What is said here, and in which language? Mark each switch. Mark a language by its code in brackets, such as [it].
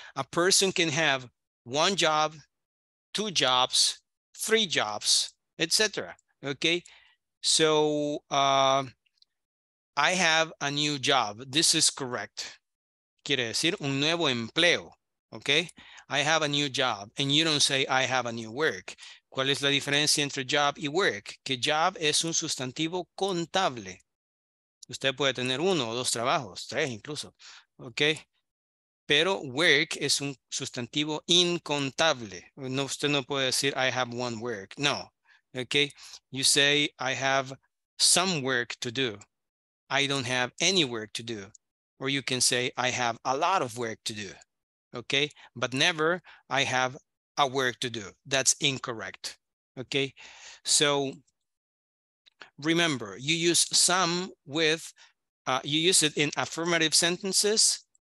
[en] A person can have one job, two jobs, three jobs, etc. Okay. So I have a new job. This is correct. [es] Quiere decir un nuevo empleo. Okay. [en] I have a new job. And you don't say I have a new work. [es] ¿Cuál es la diferencia entre job y work? Que job es un sustantivo contable. Usted puede tener uno o dos trabajos, tres incluso. Okay. Pero work es un sustantivo incontable. No, usted no puede decir, [en] I have one work. No, okay? You say, I have some work to do. I don't have any work to do. Or you can say, I have a lot of work to do. Okay? But never, I have a work to do. That's incorrect. Okay? So, remember, you use some with, you use it in affirmative sentences.